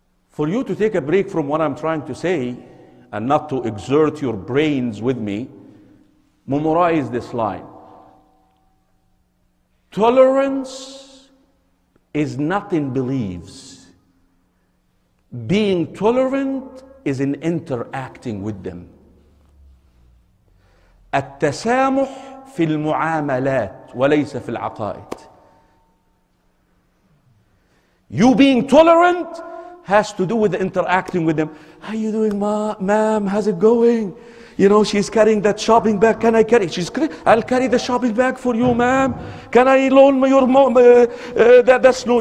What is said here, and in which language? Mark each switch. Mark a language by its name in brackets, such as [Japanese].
[English] For you to take a break from what I'm trying to say and not to exert your brains with me, memorize this line. Tolerance is not in beliefs. Being tolerant is in interacting with them. [Arabic] التسامح في المعاملات وليس في العقائد. [English] You being tolerant has to do with interacting with them. How you doing, ma'am? How's it going? You know, she's carrying that shopping bag. Can I carry? I'll carry the shopping bag for you, ma'am. Can I loan your mom the snow?